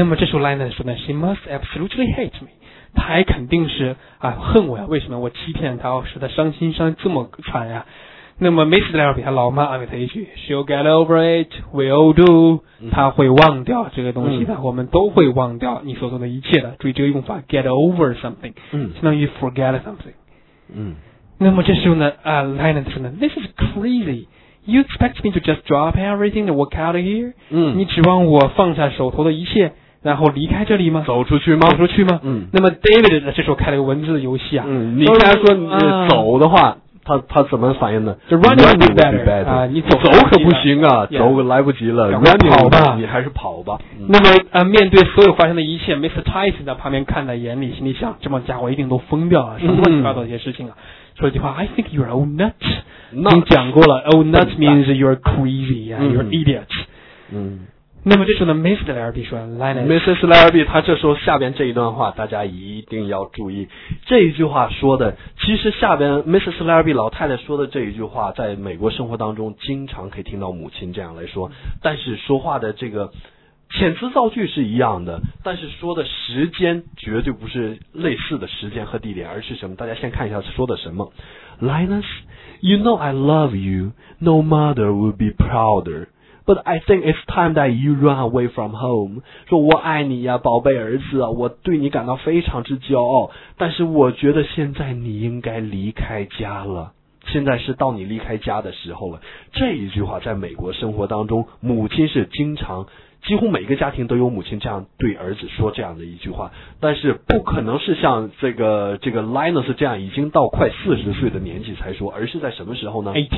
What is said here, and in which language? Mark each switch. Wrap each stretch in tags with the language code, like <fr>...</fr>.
<zh>那么这时候 Linus 说呢 ，</zh> <en>She must absolutely hate me，</en> <zh>她还肯定是恨我呀？为什么我欺骗她，使她伤心伤这么惨呀？那么 Mrs. Lair 比他老妈安慰他一句</zh> <en>She'll get over it, we'll do、</en> <zh>他会忘掉这个东西的、我们都会忘掉你所做的一切的。注意这个用法 get over something、相当于 forget something、那么这时候呢 Linus 说呢</zh> <en>This is crazy You expect me to just drop everything and walk out of here、</en> <zh>你指望我放下手头的一切然后离开这里吗？走出去吗？走出去吗？那么 David 这时候开了个文字游戏你刚才说你走的话、他怎么反应的？</zh> <en>就 running would be better, be better、</en> <zh>啊、你走走可不行啊，</zh> <en>yeah,</en> <zh>走可来不及了。</zh> <en>running</en> <zh>跑吧，你还是跑吧。那么面对所有发生的一切 ，Mr. Tyson 在旁边看在眼里，心里想：这帮家伙一定都疯掉了，什么乱七八糟的一些事情啊！说一句话</zh> <en>，I think you're old nut。</en> <zh>你讲过了</zh> <en>，old nut means you're crazy 啊、you're idiot。</en> <zh>嗯。那么这时候呢 ，Mr. Larrabee 说</zh> <en>，Mrs.</en> <zh>Larrabee， 他这时候下边这一段话大家一定要注意，这一句话说的，其实下边 Mrs. Larrabee 老太太说的这一句话，在美国生活当中经常可以听到母亲这样来说，但是说话的这个遣词造句是一样的，但是说的时间绝对不是类似的时间和地点，而是什么？大家先看一下说的什么</zh> <en>，Linus， you know I love you， no mother would be prouder。 But I think it's time that you run away from home.</en> <zh>说我爱你呀、啊、宝贝儿子、啊、我对你感到非常之骄傲，但是我觉得现在你应该离开家了，现在是到你离开家的时候了。这一句话在美国生活当中，母亲是经常，几乎每个家庭都有母亲这样对儿子说这样的一句话，但是不可能是像这个 Linus 这样已经到快40岁的年纪才说，而是在什么时候呢？</zh>